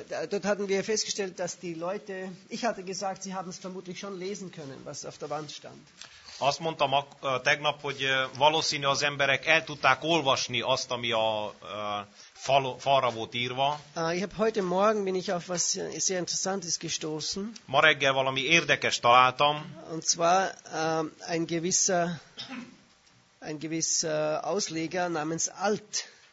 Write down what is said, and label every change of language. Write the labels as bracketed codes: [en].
[de] Dort hatten wir festgestellt, dass die Leute, ich hatte gesagt, sie haben es vermutlich schon lesen können, was auf der Wand stand. [hu] Azt mondtam tegnap, hogy valószínű az emberek el tudták olvasni azt, ami a falra volt írva. [de] Ich habe heute Morgen bin ich auf was sehr Interessantes gestoßen. [hu] Ma reggel valami érdekes találtam. [de] Und zwar ein gewisser Ausleger namens Alt.